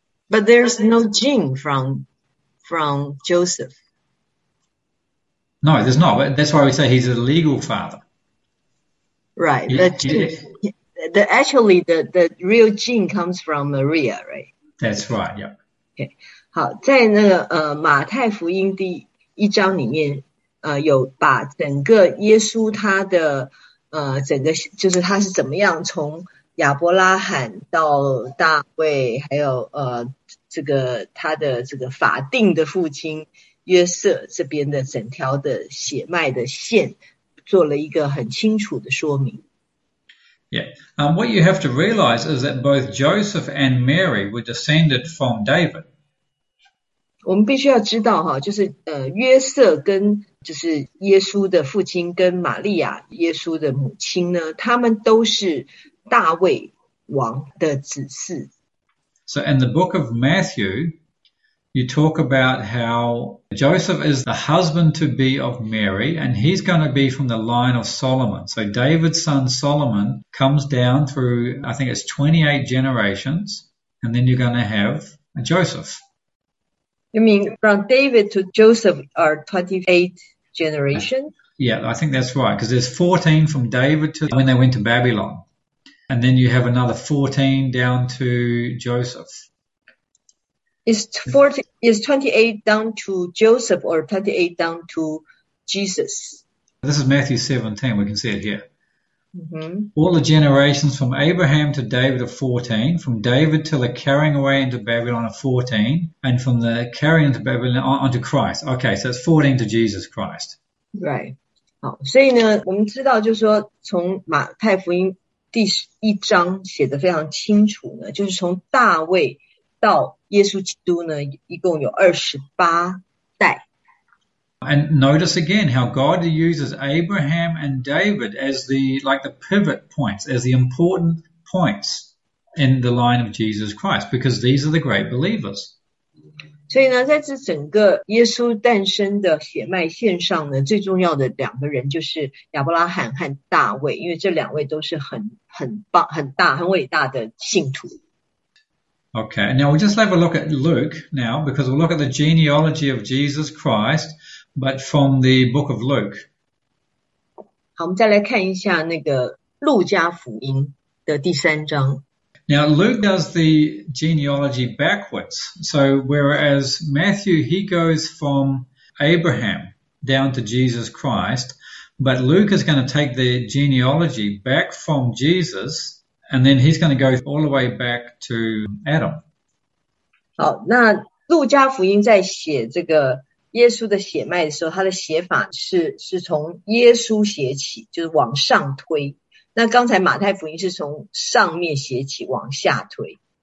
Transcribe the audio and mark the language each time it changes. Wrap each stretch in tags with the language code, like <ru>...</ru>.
<en>But there's no gene from Joseph. No, there's not. That's why we say he's a legal father. Right, Yeah, but actually the real gene comes from Maria, right? that's right. Yep. Okay.</en> <zh>好，在那个马太福音第一章里面，有把整个耶稣他的整个就是他是怎么样从亚伯拉罕到大卫，还有这个他的这个法定的父亲约瑟这边的整条的血脉的线，做了一个很清楚的说明。</zh> <en>Yeah, what you have to realize is that both Joseph and Mary were descended from David.</en> <zh>我们必须要知道哈，就是约瑟跟就是耶稣的父亲跟玛利亚耶稣的母亲呢，他们都是大卫王的子嗣。</zh> <en>So in the book of Matthew, you talk about how Joseph is the husband to be of Mary, and he's going to be from the line of Solomon. So David's son Solomon comes down through, I think it's 28 generations, and then you're going to have a Joseph. You mean from David to Joseph are 28 generation? Yeah, I think that's right, because there's 14 from David to when they went to Babylon, and then you have another 14 down to Joseph. Is 28 down to Joseph or 28 down to Jesus? This is Matthew 17. We can see it here. Mm-hmm. All the generations from Abraham to David are 14, from David to the carrying away into Babylon are 14, and from the carrying into Babylon onto Christ. Okay, so it's 14 to Jesus Christ. Right.</en> <zh>好，所以呢，我们知道，就是说，从马太福音第11章写得非常清楚呢，就是从大卫到耶稣基督呢，一共有28代。</zh> <en>And notice again how God uses Abraham and David as the pivot points, as the important points in the line of Jesus Christ, because these are the great believers.</en> <zh>所以呢，在这整个耶稣诞生的血脉线上呢，最重要的两个人就是亚伯拉罕和大卫，因为这两位都是很伟大的信徒。</zh> <en>Okay, now we'll just have a look at Luke now, because we'll look at the genealogy of Jesus Christ. But from the book of Luke.</en> <zh>好，我们再来看一下那个《路加福音》的第三章。</zh> <en>Now, Luke does the genealogy backwards. So, whereas Matthew, he goes from Abraham down to Jesus Christ, but Luke is going to take the genealogy back from Jesus, and then he's going to go all the way back to Adam.</en> <zh>好，那《路加福音》在写这个耶稣的血脉的时候，他的写法是从耶稣写起，就是往上推。那刚才马太福音是从上面写起，往下推。</zh>